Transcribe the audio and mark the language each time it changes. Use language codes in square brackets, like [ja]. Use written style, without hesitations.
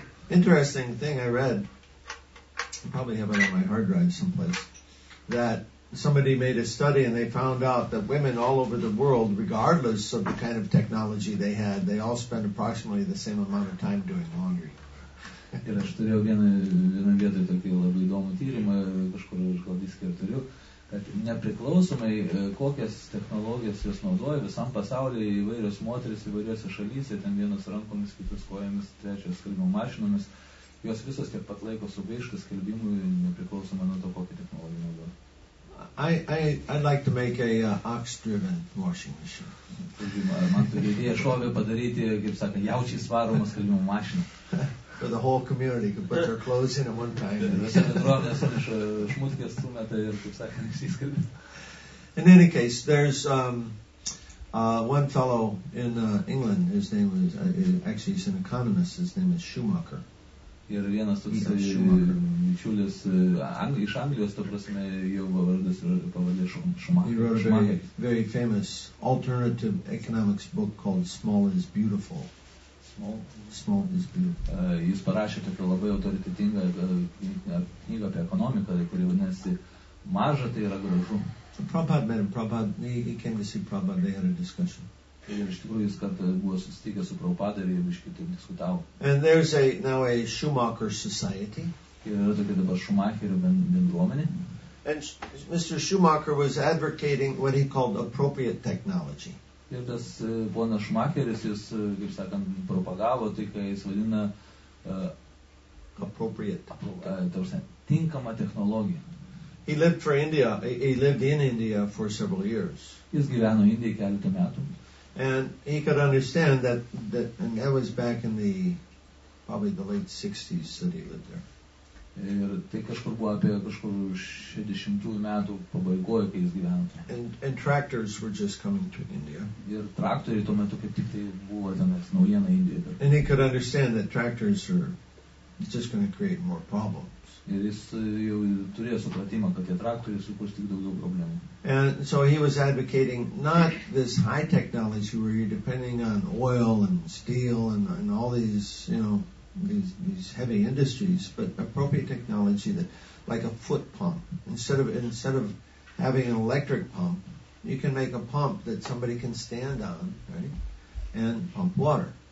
[en] Interesting thing I read, I probably have it on my hard drive someplace, that somebody made a study and they found out that women all over the world, regardless of the kind of technology they had, they all spend approximately the same amount of time doing laundry. [lt] Ir aš turėjau vieną vietą tokį labai įdomų tyrimą, kažkur aš gal diskį ir turiu, kad nepriklausomai kokias technologijas jos naudoja, visam pasaulyje įvairios moteris, įvairiose šalyse, ten vienas rankomis, kitas kojomis, trečias skalbimo mašinomis, jos visos tiek pat laiko sugaišta skalbimui, nepriklausomai nuo to, kokią technologiją naudoja. [en] I'd like to make a ox-driven washing machine. For the whole community could put their clothes in at one time. In any case, there's one fellow in England, his name was, actually he's an economist, his name is Schumacher. [lt] Ir vienas toks bičiulis iš Anglijos, to prasme, jau vardas ir pavadė Schumacher. [en] He wrote a very famous alternative economics book called Small is Beautiful. Small is Beautiful. [lt] Jis parašė tokią labai autoritetingą knygą apie ekonomiką, kuri vadinasi Maža tai yra gražu. [en] Prabhupada came to see Prabhupada, they had a discussion. [lt] Ir iš tikrųjų jis kartą buvo susitikęs su Prabhupada ir jie biškį taip diskutavo. [en] And there's now a Schumacher society. [lt] Ir yra tokia dabar Schumacherio bendruomenė. [en] And Mr. Schumacher was advocating what he called appropriate technology. [lt] Ir tas ponas Schumacheris, jis, kaip sakant, propagavo tai, ką jis vadina tinkama technologija. [en] He lived for India, he lived in India for several years. [lt] Jis gyveno Indijoje keletą metų. [en] And he could understand that, and that was back in probably the late 60s that he lived there. [lt] Ir tai kažkur buvo apie kažkur 60-ųjų metų pabaigoje, kai jis gyveno. [en] And tractors were just coming to India. [lt] Ir traktoriai tuo metu kaip tik tai buvo tenais naujiena Indijoje. [en] And he could understand that tractors are just going to create more problems. [lt] Ir jis jau turėjo supratimą, kad tie traktoriai sukurs tik daugiau problemų. [en] And so he was advocating not this high technology where you're depending on oil and steel and all these, you know, these heavy industries, but appropriate technology that, like a foot pump, instead of having an electric pump, you can make a pump that somebody can stand on, right, and pump water.